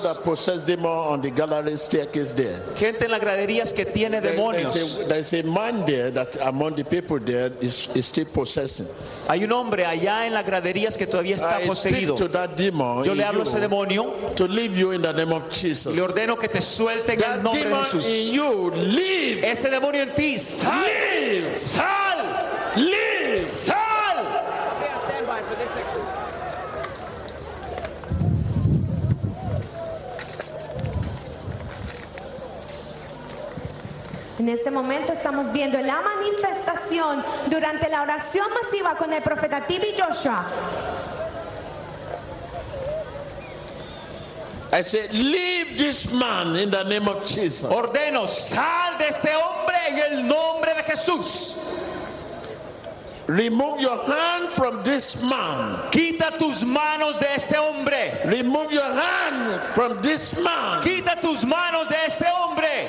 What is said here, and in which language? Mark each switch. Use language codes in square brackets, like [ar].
[en] People that possess demons on the gallery staircase there. [es] Gente en las graderías que tiene demonios. [en] There is a man there that among the people there is still possessing. [es] Hay un hombre allá en las graderías que todavía está poseído. [en] I speak to that demon. [es] Yo le hablo a ese demonio. [en] To leave you in the name of Jesus. [es] Le ordeno que te suelte en el nombre de Jesús. [en] That demon in you, leave. [es] Ese demonio en ti, sal. [en] Leave. [es] Sal. [en] Leave. [es] Sal. En este momento estamos viendo la manifestación. oración durante la oración masiva con el profeta Tibi Joshua. [en] I say, leave this man in the name of Jesus. [es] Ordeno, sal de este hombre en el nombre de Jesús. [en] Remove your hand from this man. [es] Quita tus manos de este hombre. [en] Remove your hand from this man. [es] Quita tus manos de este hombre.